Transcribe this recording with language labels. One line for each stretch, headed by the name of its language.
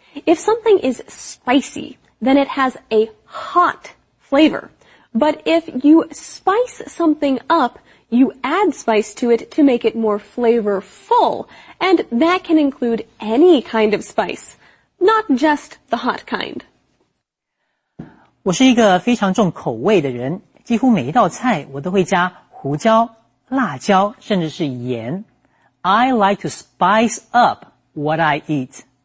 English: If something is spicy, then it has a hot flavor. But if you spice something up, you add spice to it to make it more flavorful. And that can include any kind of spice, not just the hot kind.
Chinese: 我是一个非常重口味的人，几乎每一道菜我都会加胡椒、辣椒，甚至是盐。
English: I like to spice up what I eat.